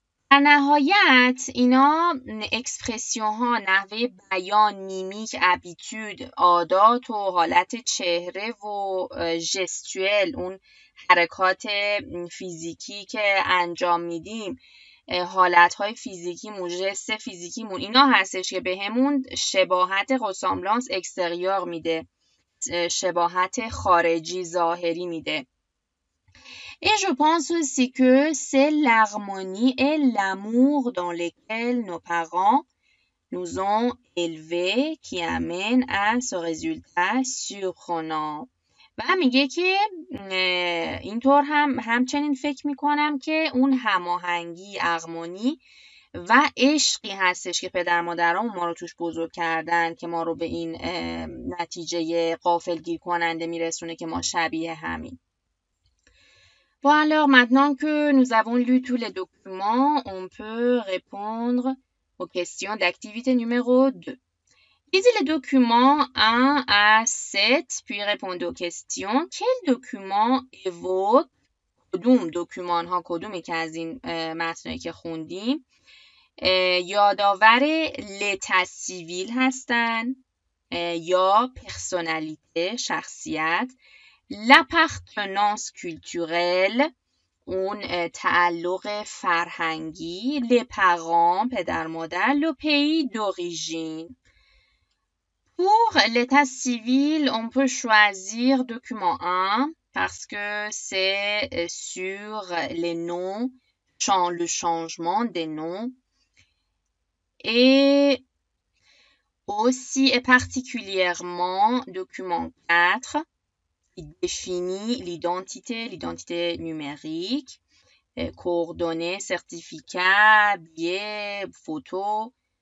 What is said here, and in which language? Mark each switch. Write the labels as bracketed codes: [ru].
[fa] در نهایت اینا اکسپرسیون ها، نحوه بیان، میمیک ابیتود، عادات و حالت چهره و جستوئل، اون حرکات فیزیکی که انجام میدیم، حالت‌های فیزیکیمون، ژست فیزیکیمون، اینا هستش که بهمون شباهت رسامبلانس اکستریور میده، شباهت خارجی ظاهری میده. [fr] Et je pense aussi que c'est l'harmonie et l'amour dans lesquels nos parents nous ont élevés qui amène à ce résultat surprenant. [fa] و میگه که اینطور هم همچنین فکر میکنم که اون هماهنگی، ارمونی و عشقی هستش که پدر مادرام ما رو توش بزرگ کردن که ما رو به این نتیجه غافل گیر کننده میرسونه که ما شبیه همین. و حالا [fr] maintenant que nous avons lu tous les documents, on peut répondre aux questions d'activité numéro 2. Lisez les documents 1 à 7, puis répondez aux questions. Quel document évoque, [fa] کدوم document ها، کدومی که از این متنایی که خوندیم، یادآور لتاس سیویل هستن یا پرسونالیته، شخصیت، لپارتنانس کلتورل، اون تعلق فرهنگی، لپاران، پدر مادر، لپی دوریژین. [fr] Pour l'état civil, on peut choisir document 1 parce que c'est sur les noms, le changement des noms. Et aussi et particulièrement document 4 qui définit l'identité, l'identité numérique, coordonnées, certificats, billets, photos.